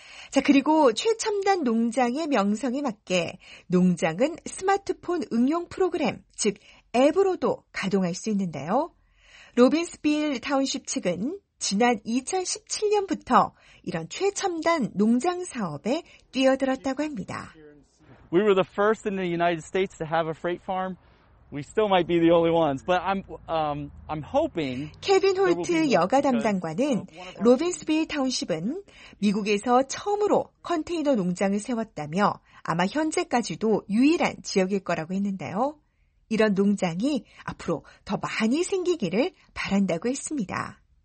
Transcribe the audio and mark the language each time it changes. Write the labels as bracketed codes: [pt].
[ko] 자, 그리고 최첨단 농장의 명성에 맞게 농장은 스마트폰 응용 프로그램, 즉 앱으로도 가동할 수 있는데요. 로빈스빌 타운십 측은 지난 2017년부터 이런 최첨단 농장 사업에 뛰어들었다고 합니다. [en] We were the first in the United States to have a freight farm. We still might be the only ones, but I'm hoping. [ko] 케빈 홀트 여가 담당관은 로빈스빌 타운십은 미국에서 처음으로 컨테이너 농장을 세웠다며 아마 현재까지도 유일한 지역일 거라고 했는데요. 이런 농장이 앞으로 더 많이 생기기를 바란다고 했습니다.